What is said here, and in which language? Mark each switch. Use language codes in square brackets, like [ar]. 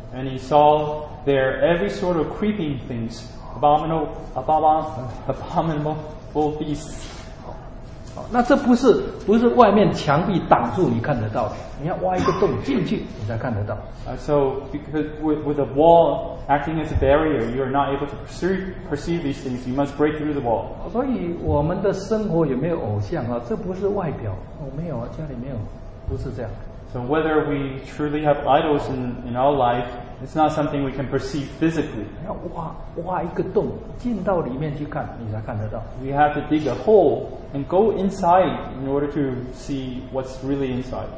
[en] And he saw there every sort of creeping things, abominable beasts. [zh] 那这不是外面墙壁挡住你看得到的，你要挖一个洞进去，你才看得到。 [en] So because with a wall acting as a barrier, you are not able to perceive these things. You must break through the wall. [zh] 所以我们的生活有没有偶像，这不是外表，没有，家里没有，不是这样。 [en] So whether we truly have idols in our life, it's not something we can perceive physically. [zh] 要挖一个洞进到里面去看，你才看得到。 [en] We have to dig a hole and go inside in order to see what's really inside.